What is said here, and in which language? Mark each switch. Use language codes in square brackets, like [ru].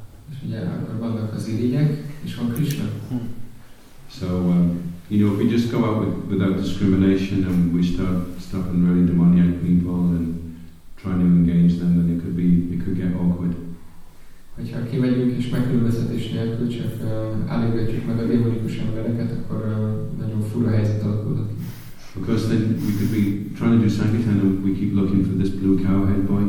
[hu] És ugye akkor vannak az irigyek, és van Krishna. [en] So, you know, if we just go out without discrimination and we start stopping really demoniac people and trying to engage them, then it could get awkward. [hu] Hogyha kimegyünk és megkülönböztetés nélkül csak állítgatjuk meg a démonikus embereket, akkor nagyon fura helyzet alakulhat. [en] Because then we could be trying to do Sankirtan and we keep looking for this blue cowhead boy.